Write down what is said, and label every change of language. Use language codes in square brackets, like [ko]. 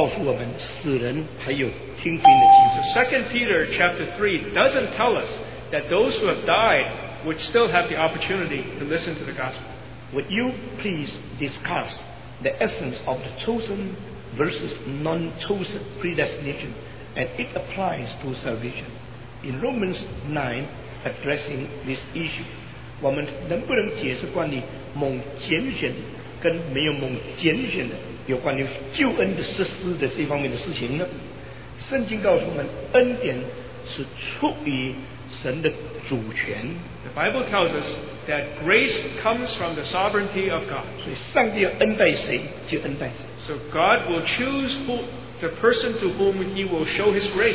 [zh] 所以就彼得后书第三章没有告诉我们死人还有听福音的机会。 [en] Second Peter chapter 3 doesn't tell us that those who have died would still have the opportunity to listen to the gospel. Would you please discuss the essence of the chosen versus non-chosen predestination, and it applies to salvation. In Romans 9, addressing this issue, [zh] 我们能不能解释关于蒙拣选的跟没有蒙拣选的有关于救恩的实施的这方面的事情呢？圣经告诉我们，恩典是出于神的主权。 [en] The Bible tells us that grace comes from the sovereignty of God. [zh] 所以上帝要恩待谁就恩待谁。 [en] So God will choose who the person to whom He will show His grace.